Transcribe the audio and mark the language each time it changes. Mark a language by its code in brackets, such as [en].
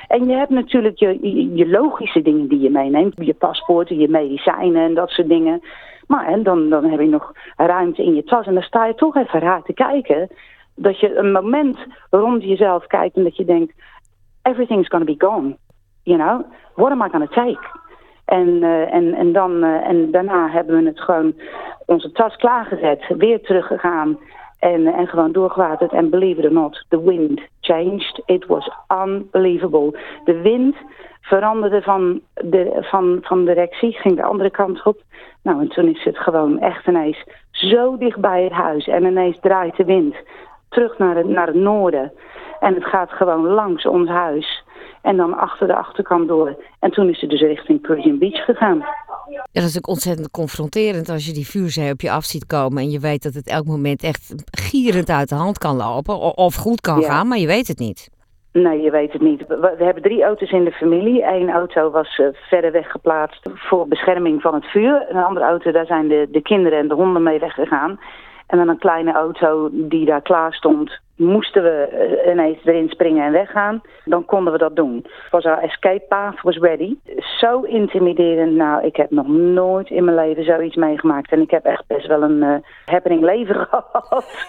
[nl] En je hebt natuurlijk je logische dingen die je meeneemt, je paspoorten, je medicijnen en dat soort dingen. Maar en dan heb je nog ruimte in je tas en dan sta je toch even raar te kijken. Dat je een moment rond jezelf kijkt en dat je denkt, [en] everything's gonna be gone. You know, what am I gonna take? [nl] En daarna hebben we het gewoon onze tas klaargezet, weer teruggegaan en gewoon doorgewaterd. [en] En believe it or not, the wind changed. It was unbelievable. [nl] De wind veranderde van directie, ging de andere kant op. Nou, en toen is het gewoon echt ineens zo dicht bij het huis en ineens draait de wind terug naar het noorden. En het gaat gewoon langs ons huis. En dan achter de achterkant door. En toen is ze dus richting Pigeon Beach gegaan. Ja, dat is natuurlijk ontzettend confronterend als je die vuurzee op je af ziet komen. En je weet dat het elk moment echt gierend uit de hand kan lopen. Of goed kan gaan, maar je weet het niet. Nee, je weet het niet. We hebben drie auto's in de familie. Eén auto was verder weg geplaatst voor bescherming van het vuur. Een andere auto, daar zijn de kinderen en de honden mee weggegaan. En dan een kleine auto die daar klaar stond. Moesten we ineens erin springen en weggaan, dan konden we dat doen. [en] Was our escape path was ready. [nl] Zo intimiderend. Nou, ik heb nog nooit in mijn leven zoiets meegemaakt. En ik heb echt best wel een happening leven gehad.